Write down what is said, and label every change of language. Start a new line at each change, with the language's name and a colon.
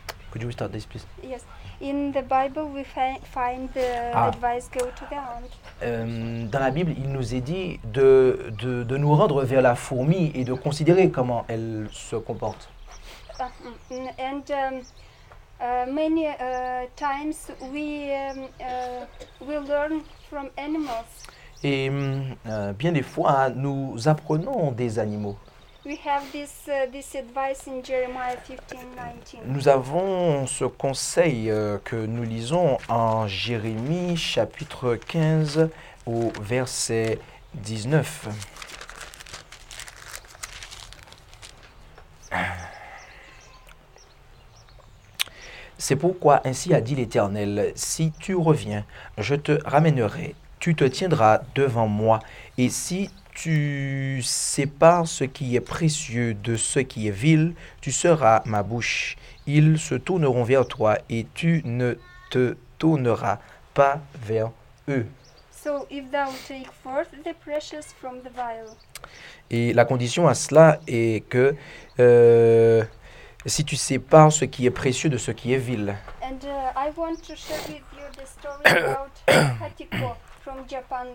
English: Could you restart this, please? Yes. In the Bible, we find the advice go to the aunt.
French: Dans la Bible, il nous est dit de nous rendre vers la fourmi et de considérer comment elle se comporte.
English: And many times we we learn from animals.
French: Et bien des fois, nous apprenons des animaux.
English: We have this this advice in Jeremiah 15:19.
French: Nous avons ce conseil que nous lisons en Jérémie chapitre 15 au verset 19. C'est pourquoi ainsi a dit l'Éternel, si tu reviens, je te ramènerai, tu te tiendras devant moi, et si tu sépares ce qui est précieux de ce qui est vil, tu seras ma bouche. Ils se tourneront vers toi et tu ne te tourneras pas vers eux.
English: So if thou take forth the precious from the vile.
French: Et la condition à cela est que si tu sépares ce qui est précieux de ce qui est vil.
English: And I want to share with you the story about Hatiko from Japan.